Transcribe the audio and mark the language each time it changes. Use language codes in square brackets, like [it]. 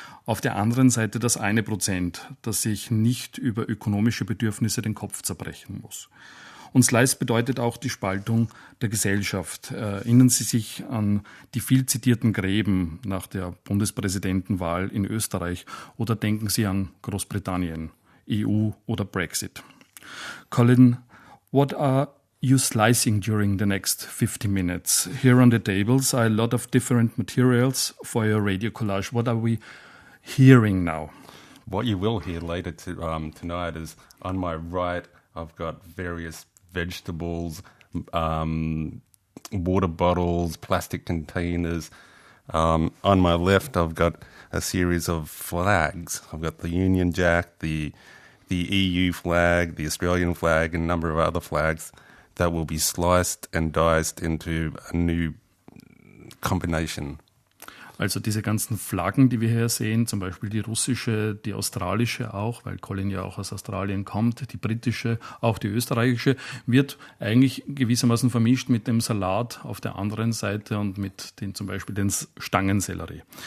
[de] Auf der anderen Seite das 1%, das sich nicht über ökonomische Bedürfnisse den Kopf zerbrechen muss. Und Slice bedeutet auch die Spaltung der Gesellschaft. Erinnern Sie sich an die viel zitierten Gräben nach der Bundespräsidentenwahl in Österreich oder denken Sie an Großbritannien, EU oder Brexit? [en] Colin, what are you slicing during the next 50 minutes? Here on the tables are a lot of different materials for your radio collage. What are we hearing now? What you will hear later tonight is on my right I've got various vegetables, water bottles, plastic containers. On my left, I've got a series of flags. I've got the Union Jack, the EU flag, the Australian flag, and a number of other flags that will be sliced and diced into a new combination. [de] Also diese ganzen Flaggen, die wir hier sehen, zum Beispiel die russische, die australische auch, weil Colin ja auch aus Australien kommt, die britische, auch die österreichische, wird eigentlich gewissermaßen vermischt mit dem Salat auf der anderen Seite und mit den zum Beispiel den Stangensellerie.